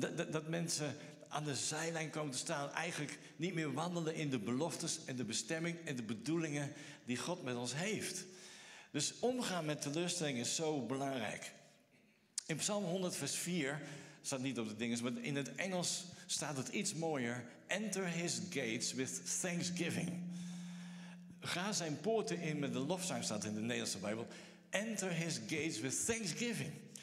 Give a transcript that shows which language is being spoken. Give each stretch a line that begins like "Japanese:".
Dutch: Dat mensen aan de zijlijn komen te staan, eigenlijk niet meer wandelen in de beloftes en de bestemming en de bedoelingen die God met ons heeft. Dus omgaan met teleurstellingen is zo belangrijk. In Psalm 100 vers 4 staat niet op de dinges, maar in het Engels staat het iets mooier.
English: Enter his gates with thanksgiving.
Dutch: Ga zijn poorten in met de lofzang, staat in de Nederlandse Bijbel.
English: Enter his gates with thanksgiving.